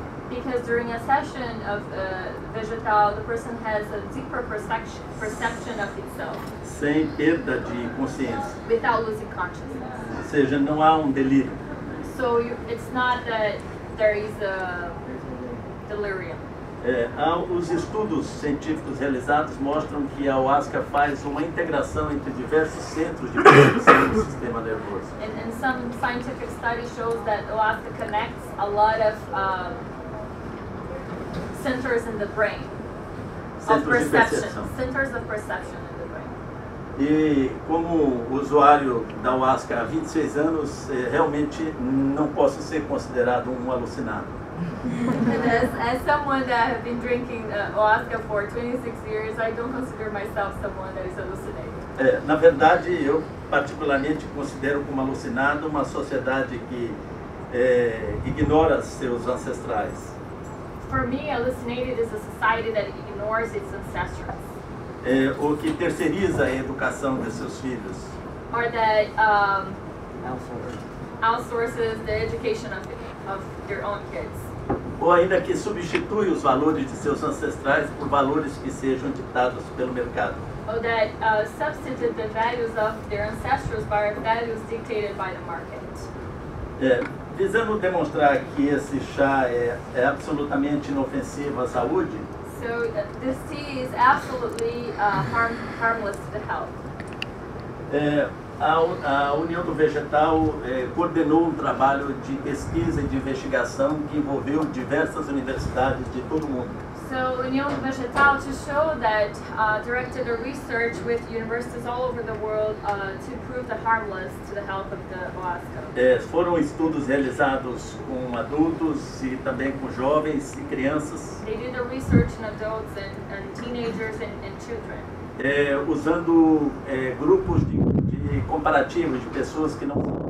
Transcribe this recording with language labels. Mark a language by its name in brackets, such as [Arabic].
[English] Because during a session of vegetal, the person has a deeper perception of itself. [Portuguese] Sem perda de consciência. [English] Without losing consciousness. [Portuguese] Ou seja, não há um delírio. [English] So it's not that there is a delirium. [Portuguese] Os estudos científicos realizados mostram que a ayahuasca faz uma integração entre diversos centros de percepção do sistema nervoso. [English] And some scientific study shows that ayahuasca connects a lot of centers in the brain. Centers of perception. [Portuguese] E como usuário da ayahuasca há 26 anos, realmente não posso ser considerado um alucinado. [English] As someone that have been drinking ayahuasca for 26 years, I don't consider myself someone that is hallucinated. [Portuguese] Na verdade, eu particularmente considero como alucinado uma sociedade que ignora seus ancestrais. [English] For me, hallucinated is a society that ignores its ancestors. [Portuguese] O que terceiriza a educação de seus filhos. [English] Or that outsources the education of their own kids. [Portuguese] ou ainda que substitui os valores de seus ancestrais por valores que sejam ditados pelo mercado. [English] Or that substitute the values of their ancestors by values dictated by the market. [Portuguese] É, visando demonstrar que esse chá é absolutamente inofensivo à saúde. [English] So this tea is absolutely harmless to health. [Portuguese] É, a União do Vegetal coordenou um trabalho de pesquisa e de investigação que envolveu diversas universidades de todo o mundo. [English] So, União do Vegetal, to show that, directed a research with universities all over the world to prove the harmless to the health of the ayahuasca. [Portuguese] É, foram estudos realizados com adultos e também com jovens e crianças. [English] They did the research in adults and teenagers and children. [Portuguese] É, usando grupos de comparativos de pessoas que não são